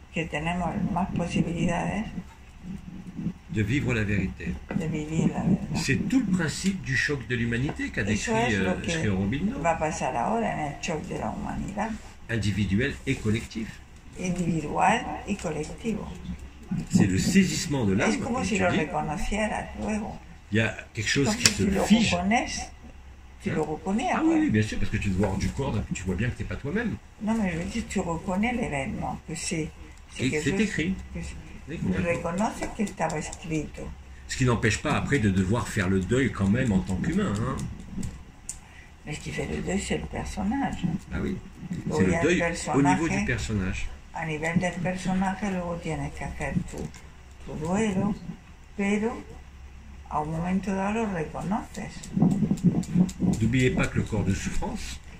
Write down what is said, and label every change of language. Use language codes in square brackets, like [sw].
[es] que tenemos más posibilidades [fr] de vivre la vérité. [es] De vivir la verdad. [fr] C'est tout le principe du choc de l'humanité qu'a décrit Sri Aurobindo. Va passer [es] ahora en el choc de la humanidad. [fr] Individuel et collectif. [es] Individual y colectivo. [fr] C'est le saisissement de l'âme. [es] Es como si lo reconocieras luego. [fr] Il y a quelque chose qui se fige. Tu le reconnais. Tu le reconnais. Ah oui, bien sûr, parce que tu te vois hors du corps, donc tu vois bien que tu n'es pas toi-même. Non, mais je veux dire, tu reconnais l'événement, que c'est. Et c'est écrit. Je reconnais que c'était écrit. Ce qui n'empêche pas après de devoir faire le deuil quand même en tant qu'humain. Hein. Mais ce qui fait le deuil, c'est le personnage. Ah oui. C'est le deuil au niveau du personnage. [es] A nivel del personaje, luego tienes que hacer tu duelo, pero a un momento dado lo reconoces. [fr] N'oubliez pas que le corps de souffrance,